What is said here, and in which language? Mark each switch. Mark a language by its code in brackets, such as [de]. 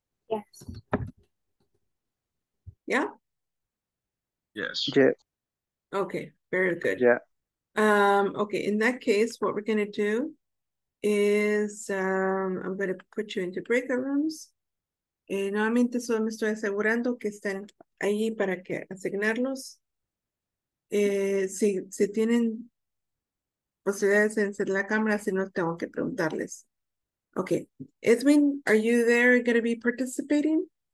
[en] Yes. Yeah? Yes. Yeah. Okay, very good. Yeah. Okay, in that case, what we're gonna do is I'm gonna put you into breakout rooms. [es] Nuevamente solo me estoy asegurando que estén ahí para que asignarlos. Si tienen posibilidades de encender la cámara, si no tengo que preguntarles. [en] Okay, Edwin, are you there going to be participating?